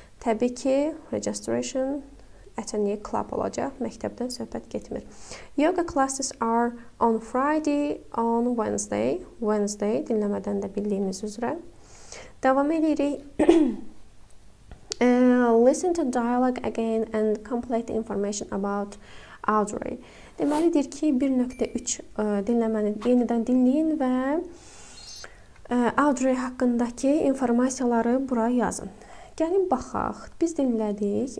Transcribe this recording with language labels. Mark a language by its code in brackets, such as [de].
[az] Təbii ki, [en] registration at a new club [az] olacaq, məktəbdən söhbət getmir. [en] Yoga classes are on Friday, on Wednesday. [az] Wednesday dinləmədən də bildiyimiz üzrə. Davam edirik. [en] listen to dialogue again and complete information about Audrey. [az] Deməlidir ki, 1.3 dinləməni yenidən dinləyin və Audrey haqqındakı informasiyaları bura yazın. Gəlin, baxaq. Biz dinlədik.